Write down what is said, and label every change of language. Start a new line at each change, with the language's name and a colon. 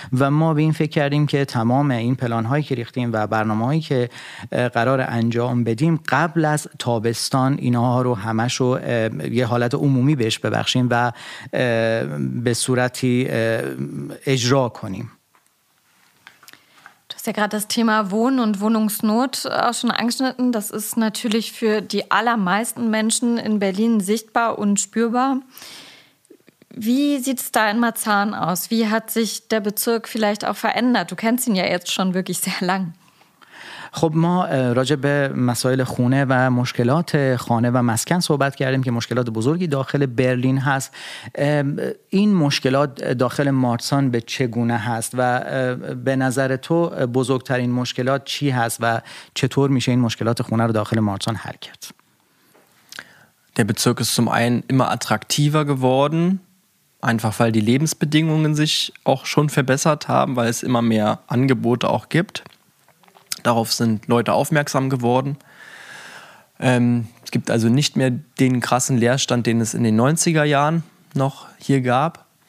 Persian: و ما به این فکر کردیم که تمام این پلانهایی که ریختیم و برنامه‌هایی که قرار انجام بدیم قبل از تابستان اینها رو همش رو یه حالت عمومی بهش ببخشیم و به صورتی اجرا کنیم.
German: Du hast ja gerade das Thema Wohnen und Wohnungsnot auch schon angeschnitten. Das ist natürlich für die allermeisten Menschen in Berlin sichtbar und spürbar. Wie sieht es da in Marzahn aus? Wie hat sich der Bezirk vielleicht auch verändert? Du kennst ihn ja jetzt schon wirklich sehr lang.
Persian: خب ما راجع به مسائل خونه و مشکلات خانه و مسکن صحبت کردیم که مشکلات بزرگی داخل برلین هست. این مشکلات داخل مارسان به چگونه هست و به نظر تو بزرگترین مشکلات چی هست و چطور میشه این مشکلات خونه رو داخل مارسان حل کرد؟
German: Der Bezirk ist zum einen immer attraktiver geworden, einfach weil die Lebensbedingungen sich auch schon verbessert haben, weil es immer mehr Angebote auch gibt. Darauf sind Leute aufmerksam geworden. Es gibt also nicht mehr den krassen Leerstand, den es in den 90er Jahren noch hier gab.